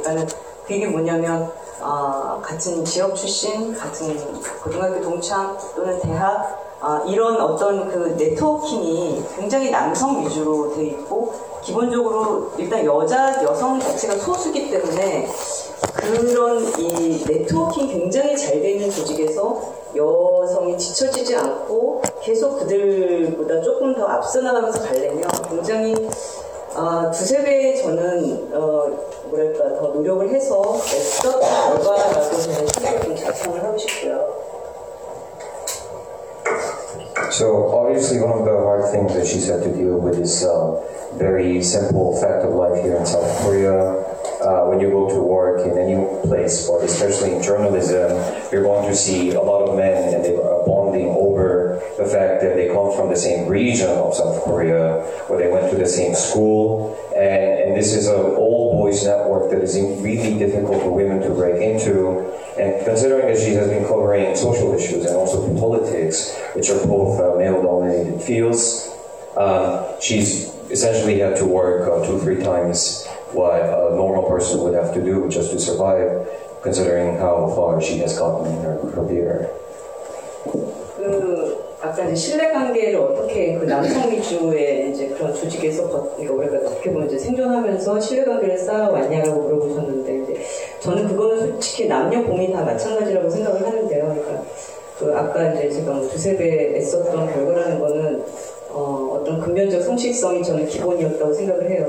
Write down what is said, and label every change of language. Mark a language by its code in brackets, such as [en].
[ko] 그러니까 그게 뭐냐면 같은 지역 출신, 같은 고등학교 동창 또는 대학 이런 어떤 그 네트워킹이 굉장히 남성 위주로 돼 있고 기본적으로 일단 여성 자체가 소수기 때문에 그런 이 네트워킹 굉장히 잘 되는 조직에서 여성이 지쳐지지 않고 계속 그들보다 조금 더 앞서 나가면서 가려면 굉장히 두세 배 저는 뭐랄까 더 노력을 해서 애썼던 결과라고 저는 생각을 좀 자청을 하고 싶고요. [en] So obviously one of the hard things that she's had to deal with is very simple fact of life here in South Korea. When you go to work in any place, or especially in journalism, you're going to see a lot of men and they are bonding over the fact that they come from the same region of South Korea, where they went to the same school. And this is an old boys network that is really difficult for women to break into. And considering that she has been covering social issues and also politics, which are both male-dominated fields, she's essentially had to work 2-3 times what a normal person would have to do just to survive, considering how far she has gotten in her career. [ko] 아까 이제 신뢰 관계를 어떻게 그 남성 위주의 이제 그런 조직에서 그러니까 우리가 어떻게 보면 이제 생존하면서 신뢰 관계를 쌓아왔냐라고 물어보셨는데 이제 저는 그거는 솔직히 남녀 공이 다 마찬가지라고 생각을 하는데요. 그러니까 그 아까 이제 제가 두세 배 애썼던 결과라는 거는 어떤 근면적 성실성이 저는 기본이었다고 생각을 해요.